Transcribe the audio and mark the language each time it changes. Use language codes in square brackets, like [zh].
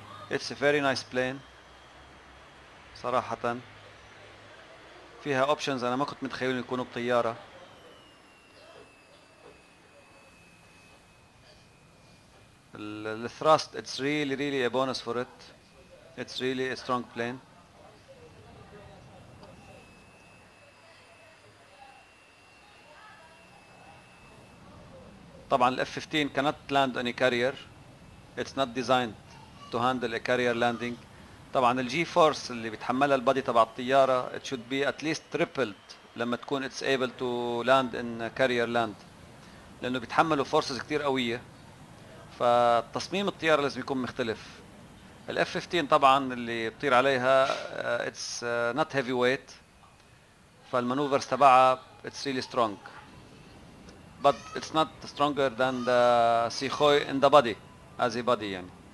[en] It's a very nice plane صراحة. [ar] فيها options أنا ما كنت متخيل يكونوا بطيارة. [en] الثراست it's really really a bonus for it, it's really a strong plane. [ar] طبعا الاف 15 كانت [en] Land any carrier, it's not designed to handle a carrier landing. [ar] طبعا الجي فورس اللي بيتحملها البادي تبع الطياره [en] it should be at least tripled [ar] لما تكون [en] it's able to land in carrier land, [ar] لانه بيتحملوا فورسز كثير قويه. فتصميم الطيارة لازم يكون مختلف. ال F-15 طبعا اللي بطير عليها [en] it's not heavy weight، [ar] فالمانوفرز تبعها [en] it's really strong but it's not stronger than the Sikhoi in the body as a body.